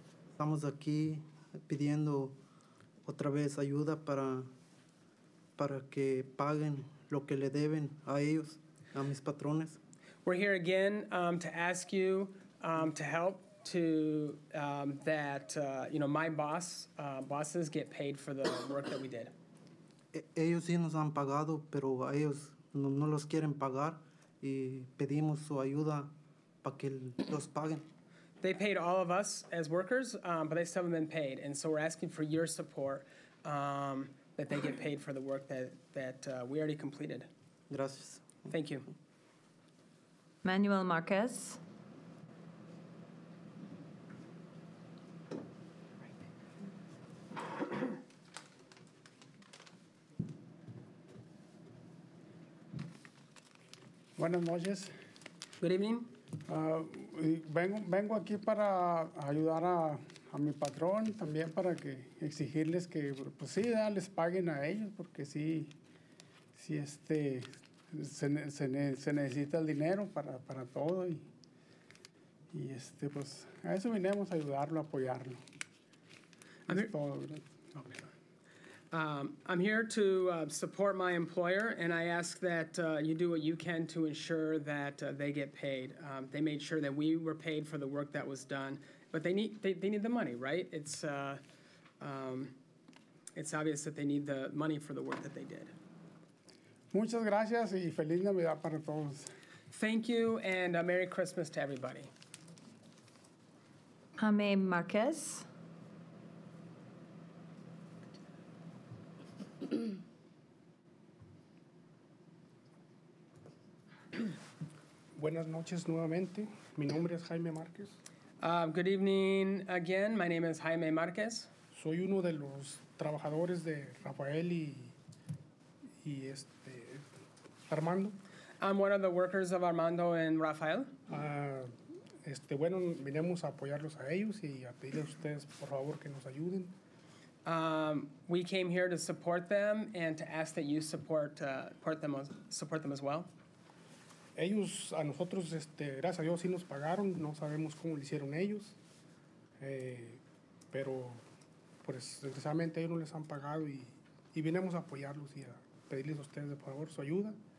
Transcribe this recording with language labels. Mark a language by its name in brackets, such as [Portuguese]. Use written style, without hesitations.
[Spanish] Estamos aquí pidiendo otra vez ayuda para que paguen lo que le deben a ellos, a mis patrones. [English] We're here again to ask you to help to that you know my bosses get paid for the work that we did. [Spanish] Ellos sí nos han pagado, pero a ellos no los quieren pagar y pedimos su ayuda para que los paguen. [English] They paid all of us as workers, but they still haven't been paid, and so we're asking for your support that they get paid for the work that we already completed. [Spanish] Gracias. [English] Thank you. [Spanish] Manuel Marquez. Buenas noches. [English] Good evening. [Spanish] Vengo aquí para ayudar a mi patrón, también para que exigirles que, pues sí, ya les paguen a ellos, porque sí. Se necesita el dinero para todo y este pues a eso vinimos a ayudarlo, a apoyarlo. [English] I'm here to support my employer, and I ask that you do what you can to ensure that they get paid. They made sure that we were paid for the work that was done, but they need the money, right? It's obvious that they need the money for the work that they did. [Spanish] Muchas gracias y feliz Navidad para todos. [English] Thank you and a Merry Christmas to everybody. [Spanish] Jaime Marquez. Buenas noches nuevamente. Mi nombre es Jaime Marquez. [English] Good evening again. My name is Jaime Marquez. [Spanish] Soy uno de los trabajadores de Rafael y este. Armando. [English] I'm one of the workers of Armando and Rafael. [Spanish] Bueno, vinimos a apoyarlos a ellos y a pedirles a ustedes, por favor, que nos ayuden. [English] We came here to support them and to ask that you support them as well. [Spanish] Ellos a nosotros, gracias a Dios, sí nos pagaron. No sabemos cómo lo hicieron ellos. Pero, pues, desgraciadamente ellos no les han pagado y vinimos a apoyarlos y a pedirles a ustedes, por favor, su ayuda.